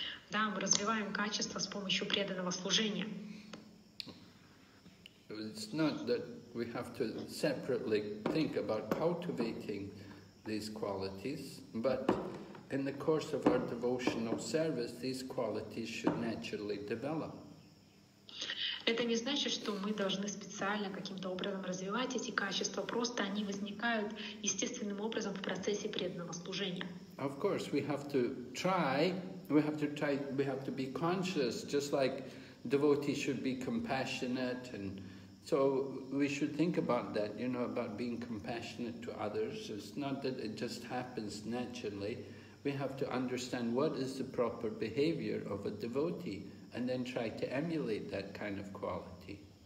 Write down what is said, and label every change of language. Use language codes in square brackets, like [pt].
[ru] Да, мы развиваем качество с помощью преданного служения. [en] it's not that we have to separately think about cultivating these qualities, but in the course of our devotional service, these qualities should naturally develop. [ru] Это не значит, что мы должны специально каким-то образом развивать эти качества, просто они возникают естественным образом в процессе преданного служения. [en] Of course, we have to try, we have to be conscious, just like devotees should be compassionate, and so we should think about that, you know, about being compassionate to others. It's not that it just happens naturally. We have to understand what is the proper behavior of a devotee, and then try to emulate that kind of quality.